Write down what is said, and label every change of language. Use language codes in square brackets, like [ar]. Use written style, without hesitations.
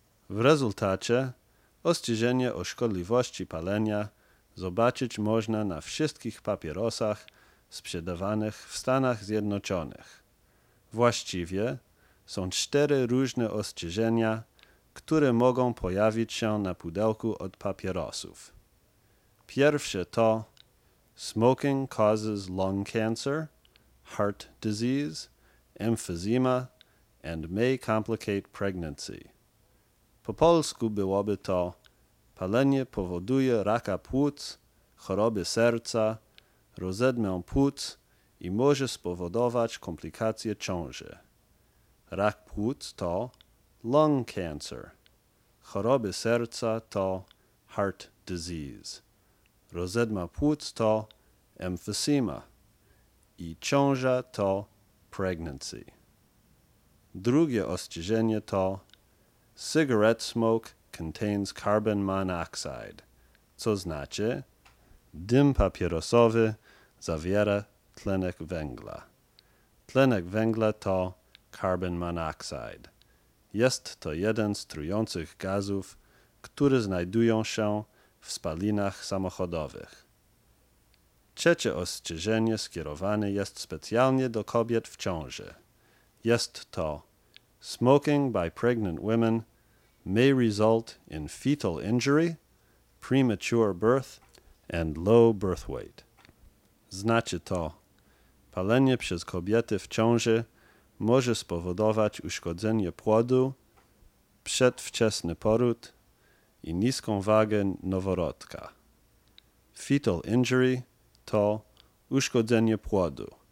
[pl] W rezultacie ostrzeżenie o szkodliwości palenia zobaczyć można na wszystkich papierosach sprzedawanych w Stanach Zjednoczonych. Właściwie są cztery różne ostrzeżenia, które mogą pojawić się na pudełku od papierosów. Pierwsze to: [en] smoking causes lung cancer, heart disease, emphysema, and may complicate pregnancy. [pl] Po polsku byłoby to: palenie powoduje raka płuc, choroby serca, rozedmę płuc i może spowodować komplikacje ciąży. Rak płuc to lung cancer. Choroby serca to heart disease. Rozedma płuc to emphysema. I ciąża to pregnancy. Drugie ostrzeżenie to: [en] cigarette smoke contains carbon monoxide, [pl] co znaczy, dym papierosowy zawiera tlenek węgla. Tlenek węgla to carbon monoxide. Jest to jeden z trujących gazów, które znajdują się w spalinach samochodowych. Trzecie ostrzeżenie skierowane jest specjalnie do kobiet w ciąży. Jest to: [en] smoking by pregnant women may result in fetal injury, premature birth, and low birth weight. [pl] Znaczy to: palenie przez kobiety w ciąży może spowodować uszkodzenie płodu, przedwczesny poród i niską wagę noworodka. Fetal injury to uszkodzenie płodu.